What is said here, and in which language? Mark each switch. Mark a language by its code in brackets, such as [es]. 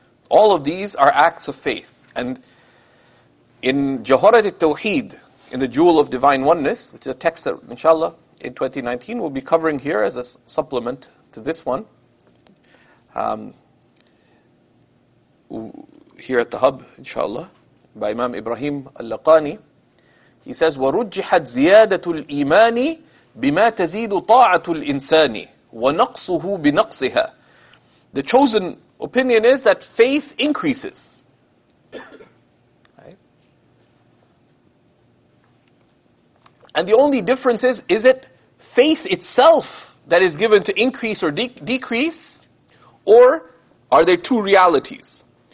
[en] All of these are acts of faith. And in Jawharat al-Tawheed, in the Jewel of Divine Oneness, which is a text that inshallah in 2019 we'll be covering here as a supplement to this one, here at the hub, inshallah, by Imam Ibrahim Al-Laqani. He says, [ar] وَرُجِّحَتْ زِيَادَةُ الْإِيمَانِ بِمَا تَزِيدُ طَاعَةُ الْإِنسَانِ وَنَقْصُهُ بِنَقْصِهَا. [en] The chosen opinion is that faith increases. And the only difference is it faith itself that is given to increase or decrease, or are there two realities?